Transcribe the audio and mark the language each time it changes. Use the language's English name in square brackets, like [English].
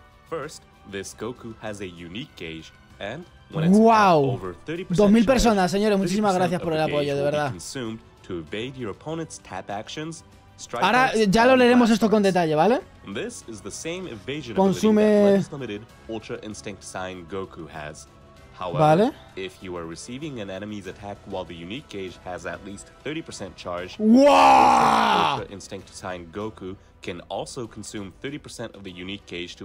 [English] First, this Goku has a unique gauge, and when it's wow. Over 30%, [Spanish] 2000 personas, señores, muchísimas gracias por el apoyo, de verdad. [English] To evade your opponent's tap actions, strike. [Spanish] Ahora ya lo leeremos esto con detalle, ¿vale? [English] This is the same evasion consume that limited Ultra Instinct sign Goku has. However, [Spanish] ¿vale? [English] If you are receiving an enemy's attack while the unique gauge has at least 30% charge, wow. Ultra Instinct sign Goku can also consume 30% of the unique gauge to